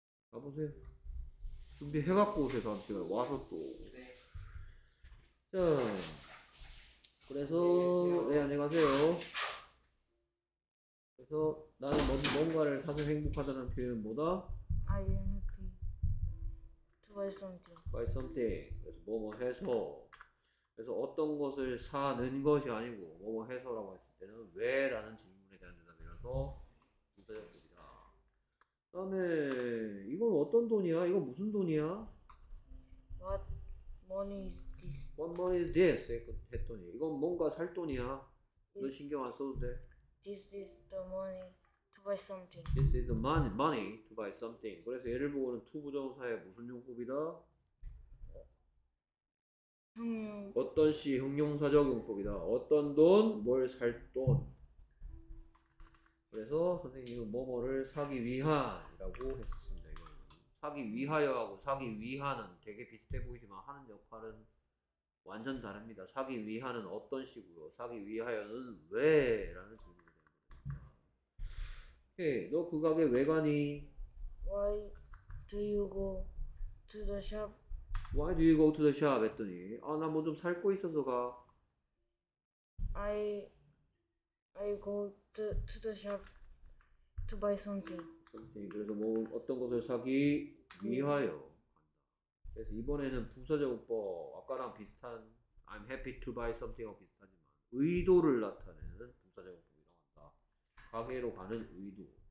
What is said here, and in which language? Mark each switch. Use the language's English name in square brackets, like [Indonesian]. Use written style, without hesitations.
[Korean] 가보세요. 준비해갖고 오세요, 다음 시간에. 와서 또. 자, 그래서, 네, 안녕하세요. 그래서 나는 뭔가를 사서 행복하다는 표현보다 [English] I am happy to buy something. buy something [Korean] 그래서 뭐뭐 해서 그래서 어떤 것을 사는 것이 아니고 뭐뭐 해서라고 했을 때는 왜라는 질문에 대한 대답이라서 부사적 용법이다. 다음에 이건 어떤 돈이야? 이건 무슨 돈이야? [English] What money is this? What money is this? [Korean] 했더니 이건 뭔가 살 돈이야. 너 신경 안 써도 돼. [English] This is the money to buy something. This is the money, money to buy something. [Korean] 그래서 얘를 보고는 to 부정사의 무슨 용법이다? 어떤 시 형용사적 용법이다. 어떤 돈, 뭘살 돈. 그래서 선생님은 뭐뭐를 사기 위한이라고 했었습니다. 이거는 사기 위하여하고 사기 위하는 되게 비슷해 보이지만 하는 역할은 완전 다릅니다. 사기 위하는 어떤 식으로, 사기 위하여는 왜? 라는 질문이 됩니다. 오케이, 너그 가게 왜 가니? [English] Why do you go to the shop? Why do you go to the shop? [Korean] 했더니 아, 나뭐좀살거 있어서 가. [English] I go to the shop to buy something. [Korean] 그래서 뭐 어떤 것을 사기 위하여. 그래서 이번에는 부사적 용법, 아까랑 비슷한 [English] I'm happy to buy something [Korean] 하고 비슷하지만 의도를 나타내는 부사적 용법이라고 한다. 가게로 가는 의도.